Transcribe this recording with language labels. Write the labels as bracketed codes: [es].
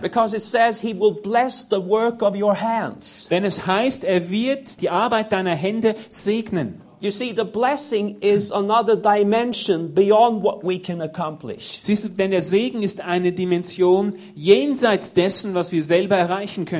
[en] Because it says he will bless the work of your hands. [de] Denn es heißt, er wird die Arbeit deiner Hände segnen. [en] You see, the blessing is another dimension beyond what we can accomplish. [de] Siehst du, denn der Segen ist eine Dimension jenseits dessen, was wir selber erreichen können.